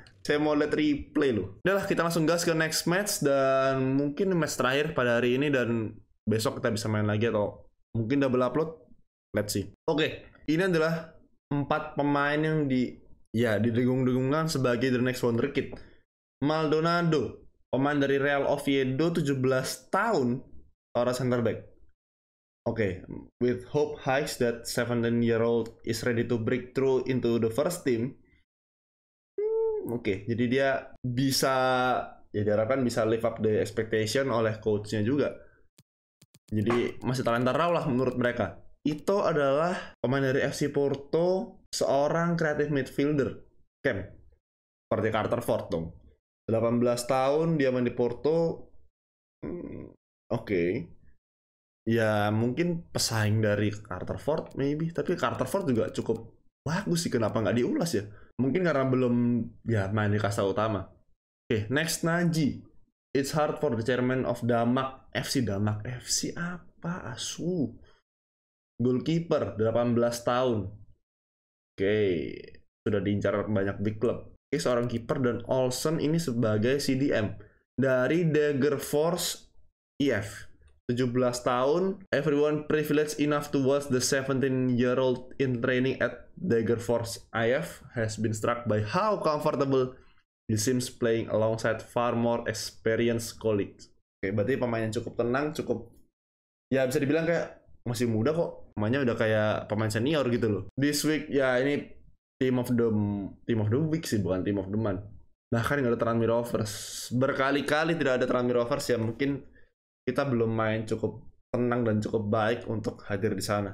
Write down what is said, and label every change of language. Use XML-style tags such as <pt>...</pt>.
<id>Saya mau lihat replay loh. Udahlah, kita langsung gas ke next match dan mungkin match terakhir pada hari ini dan besok kita bisa main lagi atau mungkin double upload.</id> <en>Let's see.</en> <id>Oke, okay. Ini adalah 4 pemain yang didegung-degungkan sebagai the next wonderkid. Maldonado, pemain dari Real Oviedo, 17 tahun, seorang center back. Oke, okay.</id> <en>With hope high that 17-year-old is ready to break through into the first team.</en> <id>Oke, okay. Jadi dia bisa, ya diharapkan bisa</id> <en>live up the expectation</en> <id>oleh coachnya juga. Jadi masih talenta raw lah menurut mereka. Itu adalah pemain dari FC Porto, seorang creative midfielder, Cam. Seperti Carter Ford dong. 18 tahun dia main di Porto. Oke. Okay. Ya mungkin pesaing dari Carter Ford maybe, tapi Carter Ford juga cukup bagus sih, kenapa nggak diulas ya? Mungkin karena belum ya main di kasta utama. Oke, okay, next Naji.</id> <en>It's hard for the chairman of Damak FC.</en> <id>Damak FC apa? Asu. Goalkeeper 18 tahun. Oke, okay. Sudah diincar banyak big club. Okay, seorang kiper dan Olsen ini sebagai CDM dari Degerfors IF.</id> <en>17 tahun, everyone privileged enough to watch the 17-year-old in training at Degerfors IF has been struck by how comfortable he seems playing alongside far more experienced colleagues.</en> <id>Oke, okay, berarti pemain yang cukup tenang, cukup ya bisa dibilang kayak masih muda kok. Pemainnya udah kayak pemain senior gitu loh. This week ya ini team of the week sih, bukan team of the month. Bahkan enggak ada Tranmere Rovers. Berkali-kali tidak ada Tranmere Rovers ya, mungkin kita belum main cukup tenang dan cukup baik untuk hadir di sana.</id>